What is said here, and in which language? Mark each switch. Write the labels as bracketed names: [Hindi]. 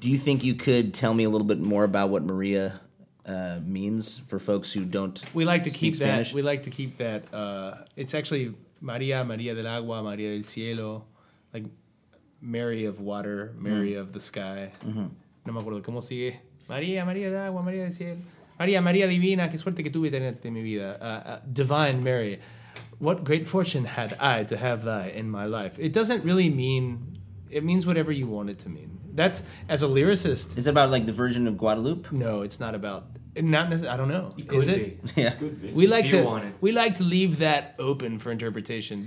[English] Do you think you could tell me a little bit more about what Maria means for folks who don't speak Spanish? We like to keep that. It's actually Maria, Maria del Agua, Maria del Cielo. Like, Mary of water, Mary of the sky. Mm-hmm. [Spanish] No me acuerdo cómo sigue. María, María de agua, María del cielo. María, María divina, qué suerte que tuve tenerte en mi vida. [English] Divine Mary, what great fortune had I to have thy in my life. It doesn't really mean, it means whatever you want it to mean. That's, as a lyricist. Is it about like the Virgin of Guadalupe? No, it's not about, not necessarily, I don't know. It could be. Yeah. Could be. We like to leave that open for interpretation.